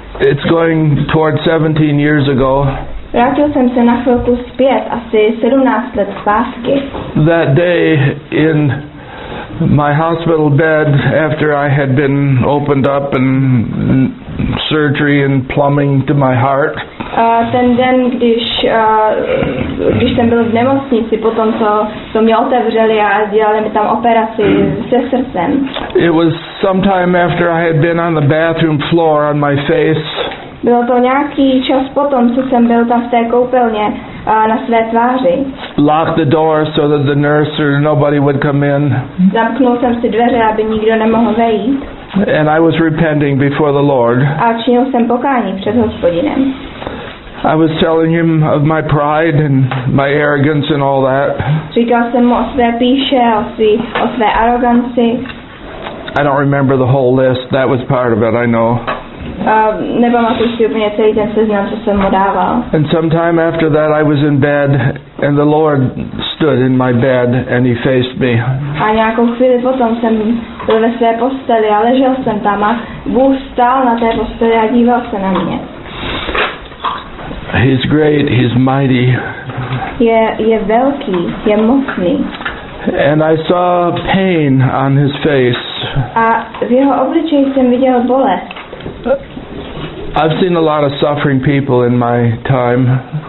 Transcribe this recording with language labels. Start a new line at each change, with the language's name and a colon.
English: It's going toward 17 years ago.
Czech: Vrátil jsem se na chvilku zpět, asi 17 let zpátky.
English: That day in my hospital bed, after I had been opened up and surgery and plumbing to my heart.
Czech: Ten den, když jsem byl v nemocnici, potom co mě otevřeli a dělali mi tam operaci se srdcem.
English: It was sometime after I had been on the bathroom floor on my face.
Czech: Bylo to nějaký čas potom, co jsem byl tam v té koupelně na své tváři.
English: Locked the door so that the nurse or nobody would come in.
Czech: Zamknul jsem si dveře, aby nikdo nemohl vejít.
English: And I was repenting before the Lord.
Czech: A činil jsem pokání před Hospodinem.
English: I was telling him of my pride and my arrogance and all that.
Czech: Říkal jsem mu o své píše, o své aroganci.
English: I don't remember the whole list. That was part of it, I know.
Czech: Nepamatuji si úplně celý ten seznam, co jsem mu dával.
English: And sometime after that I was in bed and the Lord stood in my bed and he faced me.
Czech: A nějakou chvíli potom jsem byl ve své posteli a ležel jsem tam a Bůh stál na té posteli a díval se na mě.
English: He's great, he's mighty.
Czech: Je velký, je mocný.
English: And I saw pain on his face.
Czech: A v jeho obličeji jsem viděl bolest.
English: I've seen a lot of suffering people in my time.